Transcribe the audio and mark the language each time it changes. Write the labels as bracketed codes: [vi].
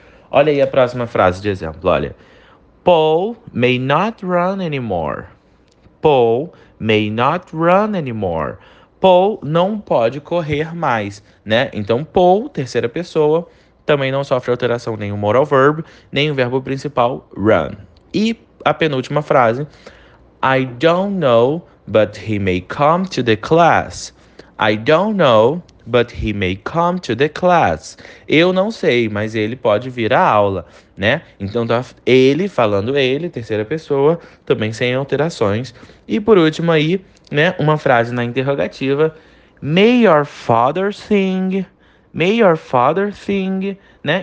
[pt] Olha aí a próxima frase de exemplo, olha. [en] Paul may not run anymore. Paul may not run anymore. [pt] Paul não pode correr mais, né? Então, Paul, terceira pessoa, também não sofre alteração nem o modal verb, nem o verbo principal, run. E a penúltima frase. [en] I don't know, but he may come to the class. I don't know. But he may come to the class. [pt] Eu não sei, mas ele pode vir à aula, né? Então, tá ele falando ele, terceira pessoa, também sem alterações. E por último aí, né, uma frase na interrogativa. [en] May your father sing? [pt] May your father sing? né?